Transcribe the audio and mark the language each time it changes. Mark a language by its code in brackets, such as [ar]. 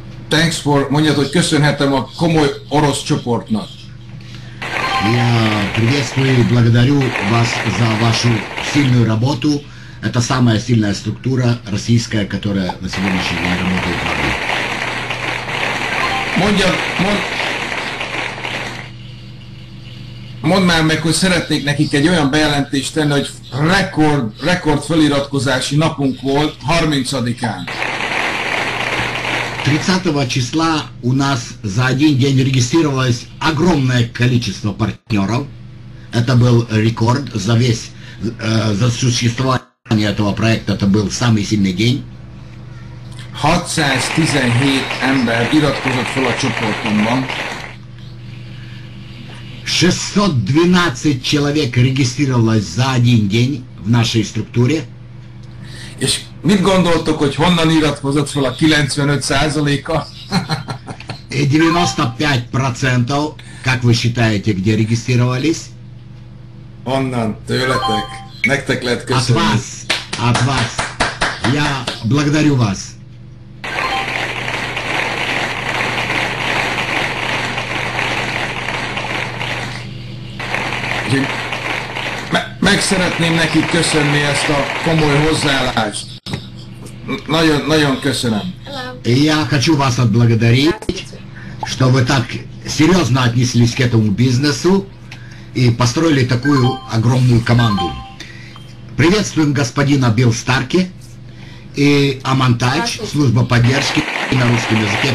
[en] Thanks for, [ru] мне тут [hu] köszönhetem a komoly orosz csoportnak. [ru] Я приветствую и благодарю вас за вашу сильную работу. Это самая сильная структура российская, которая на сегодняшний день работает. [hu] Mondd már meg, hogy szeretnék nekik egy olyan bejelentést tenni, hogy rekord feliratkozási napunk volt 30-án. [ru] 30-го числа у нас за один день регистрировалось огромное количество партнеров. Это был рекорд за весь, за существование этого проекта. Это был самый сильный день. [hu] 617 ember iratkozott fel a csoportomban. [ru] 612 человек регистрировалось за один день в нашей структуре. [hu] És mit gondoltok, hogy honnan iratkozott fel a 95%-a? [ru] 95%, как вы считаете, где регистрировались? [hu] Onnan, tőletek. Nektek lehet köszönni. [ru] От вас. Я благодарю вас. [hu] Meg szeretném nekik köszönni ezt a komoly hozzáállást. Nagyon, nagyon köszönöm. [ru] Я хочу вас отблагодарить, что вы так серьезно отнеслись к этому бизнесу и построили такую огромную команду. Приветствуем господина Билл Старки и Амантач, служба поддержки на русском языке.